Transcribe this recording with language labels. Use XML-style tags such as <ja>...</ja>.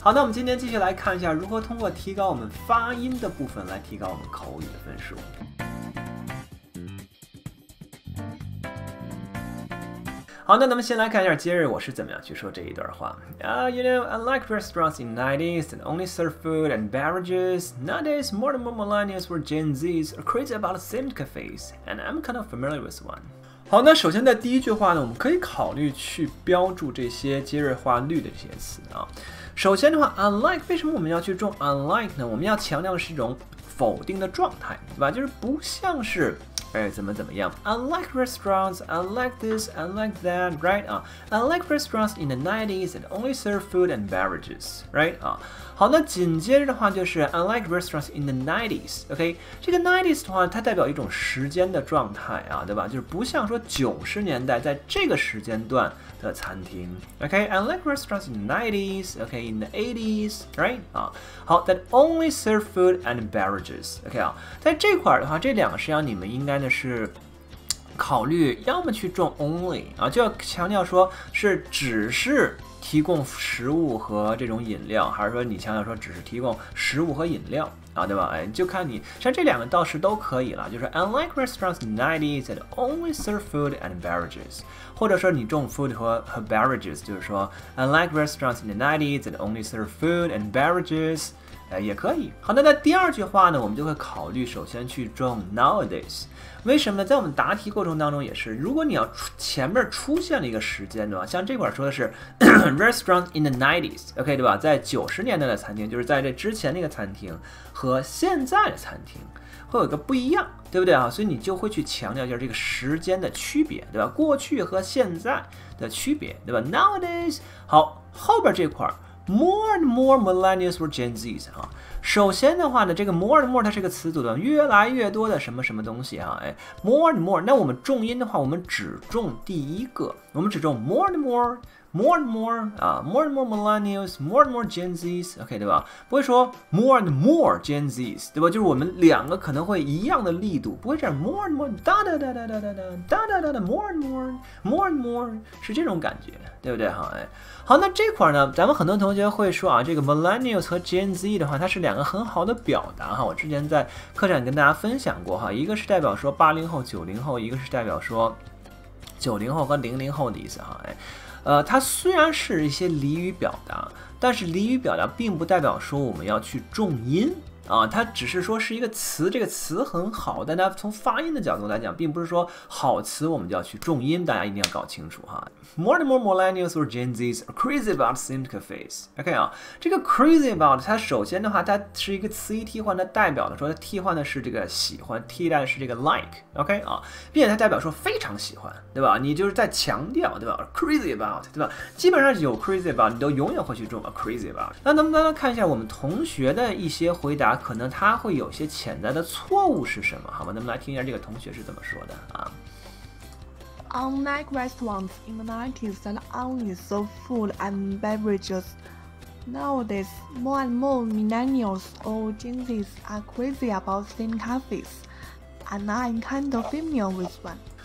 <zh>好，那我们今天继续来看一下如何通过提高我们发音的部分来提高我们口语的分数。好，那咱们先来看一下 Jerry 我是怎么样去说这一段话。</zh> <en>You know, unlike restaurants in the 90s that only serve food and beverages, nowadays more and more millennials or Gen Zs are crazy about themed cafes, and I'm kind of familiar with one.</en> <zh>好，那首先在第一句话呢，我们可以考虑去标注这些杰瑞化绿的这些词啊。首先的话 ，unlike 为什么我们要去重 unlike 呢？我们要强调的是一种否定的状态，对吧？就是不像是，怎么怎么样</zh> <en>？Unlike restaurants, unlike this, unlike that, right? Unlike restaurants in the 90s that only serve food and beverages, right?</en> <zh>好，那紧接着的话就是</zh> <en>unlike restaurants in the 90s, OK?</en> <zh>这个 90s 的话它代表一种时间的状态啊，对吧？就是不像说90年代在这个时间段的餐厅</zh> <en>OK? Unlike restaurants in the 90s, OK? In the 80s, right? 好 that only serve food and beverages, OK?</en> <zh>在这块的话这两个实际上你们应该呢是考虑要么去重 only, 就要强调说是只是提供食物和这种饮料，还是说你强调说只是提供食物和饮料啊，对吧？就看你，像这两个倒是都可以了，就是</zh> <en>unlike restaurants in the 90s that only serve food and beverages,</en> <zh>或者说你重</zh> <en>food 和 beverages,</en> <zh>就是说</zh> <en>unlike restaurants in the 90s that only serve food and beverages,</en> <zh>也可以。好，那在第二句话呢，我们就会考虑首先去重 nowadays。为什么呢？在我们答题过程当中也是，如果你要前面出现了一个时间段，像这块说的是</zh> <en>restaurant in the 90s,</en> <zh>OK, 对吧？在90年代的餐厅，就是在这之前那个餐厅和现在的餐厅会有一个不一样，对不对啊？所以你就会去强调一下这个时间的区别，对吧？过去和现在的区别，对吧？</zh> <en>Nowadays,</en> <zh>好，后边这块</zh> <en>More and more millennials were Gen Zs.</en> <zh>首先的话呢，这个</zh> <en>more and more</en> <zh>它是个词组的，越来越多的什么什么东西啊。</zh> <en>More and more,</en> <zh>那我们重音的话，我们只重第一个，我们只重</zh> <en>more and more, more and more, more and more millennials, more and more Gen Zs, OK, 对吧？</en> <zh>不会说</zh> <en>more and more Gen Zs,</en> <zh>对吧？就是我们两个可能会一样的力度，不会这样</zh> <en>more and more, da da da da da da da da da da da, more and more, more and more,</en> <zh>是这种感觉。对不对哈？好，那这块呢，咱们很多同学会说啊，这个 millennials 和 Gen Z 的话，它是两个很好的表达哈。我之前在课上跟大家分享过哈，一个是代表说80后、90后，一个是代表说90后和00后的意思哈。它虽然是一些俚语表达，但是俚语表达并不代表说我们要去重音。它只是说是一个词，这个词很好，但它从发音的角度来讲，并不是说好词我们就要去重音，大家一定要搞清楚哈。</zh> <en>More and more millennials or Gen Zs are crazy about themed cafes.</en> <zh>OK 这个</zh> <en>crazy about</en> <zh>它首先的话，它是一个词义替换，它代表的说它替换的是这个喜欢，替代的是这个 like. OK 并且它代表说非常喜欢，对吧？你就是在强调，对吧 ？</zh> <en>Crazy about，</en> <zh>对吧？基本上有 crazy about， 你都永远会去重 crazy about。那能不能看一下我们同学的一些回答？可能他会有些潜在的错误是什么？好吗？那么来听一下这个同学是怎么说的啊。</zh> <en>Unlike restaurants in the 90s that only serve food and beverages, nowadays more and more millennials or Gen Zs are crazy about themed cafes, and I'm kind of familiar with one.</en>